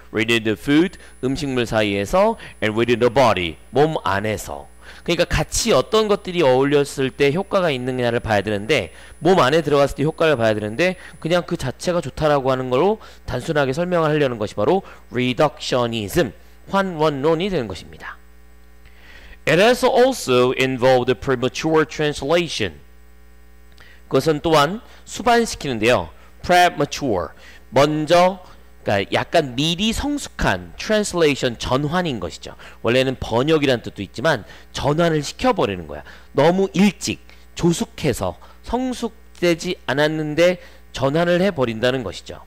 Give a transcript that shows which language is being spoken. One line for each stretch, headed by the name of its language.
English: within the food
Korean: 음식물 사이에서
English: and within the body
Korean: 몸 안에서 그러니까 같이 어떤 것들이 어울렸을 때 효과가 있느냐를 봐야 되는데 몸 안에 들어갔을 때 효과를 봐야 되는데 그냥 그 자체가 좋다라고 하는 걸로 단순하게 설명을 하려는 것이 바로 reductionism 환원론이 되는 것입니다.
English: It has also involved a premature translation.
Korean: 그것은 또한 수반시키는데요. premature 먼저 그러니까 약간 미리 성숙한 translation 전환인 것이죠. 원래는 번역이란 뜻도 있지만 전환을 시켜버리는 거야. 너무 일찍 조숙해서 성숙되지 않았는데 전환을 해버린다는 것이죠.